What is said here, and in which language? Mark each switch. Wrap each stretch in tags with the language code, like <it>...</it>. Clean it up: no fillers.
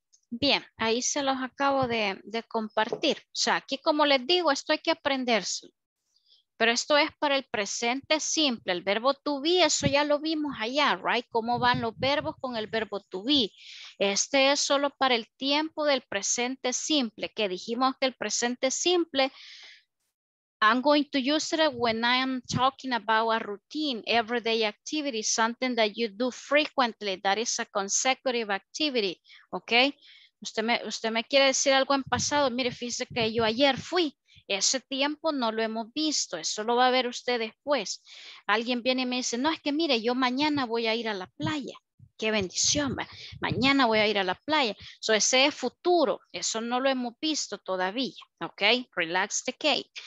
<es>Bien, ahí se los acabo de compartir. O sea, aquí como les digo, esto hay que aprenderse. Pero esto es para el presente simple. El verbo to be, eso ya lo vimos allá,</es> <en>right?</en> <es>¿Cómo van los verbos con el verbo to be? Este es solo para el tiempo del presente simple. Que dijimos que el presente simple,</es> <en>I'm going to use it when I am talking about a routine, everyday activity, something that you do frequently, that is a consecutive activity, okay?</en> <es>Usted me quiere decir algo en pasado, mire, fíjese que yo ayer fui, ese tiempo no lo hemos visto, eso lo va a ver usted después. Alguien viene y me dice, no, es que mire, yo mañana voy a ir a la playa. Qué bendición, mañana voy a ir a la playa. So ese es futuro, eso no lo hemos visto todavía, ok,</es> <en>relax the cake.</en>